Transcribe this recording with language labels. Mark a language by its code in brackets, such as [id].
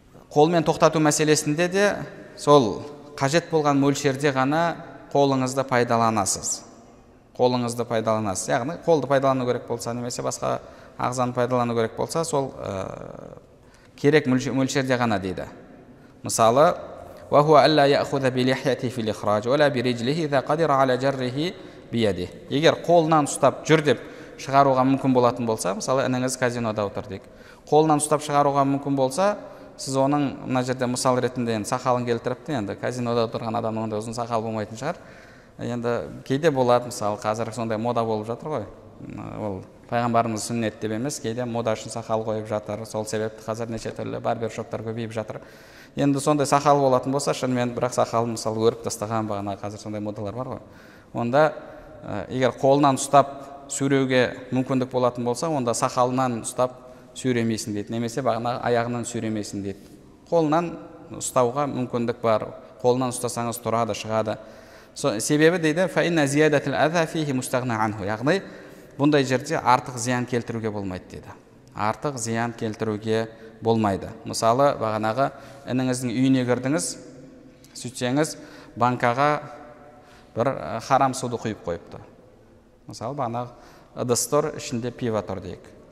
[kk] Қолмен тоқтату мәселесінде де сол қажет болған мөлшерде ғана қолыңызды пайдаланасыз. Қолыңызды пайдаланасыз. Яғни қолды пайдалану керек болса, немесе басқа ағзаны пайдалану керек болса, сол керек мөлшерде ғана дейді. [ar] Мысалы: وهو الا ياخذ بلحيته في الاخراج ولا برجله اذا قدر على جره بيده. [kk] Егер қолынан ұстап жүр деп шығаруға мүмкін болатын болса, мысалы ініңіз казинода отыр дейік. Қолынан ұстап шығаруға мүмкін болса, сіз оның мына жерде мысал ретінде енді сақалын келтіріпті. Енді казинода отырған адамның ондай ұзын сақал болмайтын шығар. Енді кейде болады, мысалы қазір сондай мода болып жатыр ғой. Ол пайғамбарымыз сүннет деп емес, кейде мода үшін сақал қойып жатыр. Сол себепті қазір неше түрлі барбер шоптар көбейіп жатыр. Енді сондай сақал болатын болса, шынымен бірақ сақалын мысалы өріп тастаған, бағана қазір сондай модалар бар ғой. Онда егер қолынан ұстап сүйреуге мүмкіндік болатын болса, онда сақалынан ұстап сүйремейсің дейді, немесе бағана аяғынан сүйремейсің дейді. Қолынан ұстауға мүмкіндік бар. Қолынан ұстасаңыз тұрады, шығады. Себебі дейді: [ar] فَإِنَّ زِيَادَةَ الْأَذَى فِيهِ مُسْتَغْنَى عَنْهُ. [kk] Яғни бұндай жерде артық зиян келтіруге болмайды дейді. Артық зиян келтіруге болмайды. Мысалы, бағанағы ініңіздің үйіне кірдіңіз, сөйтсеңіз банкаға бір харам суды құйып қойыпты. Мысалы, бағанағы ыдыс тұр, ішінде пиво тұр дейік.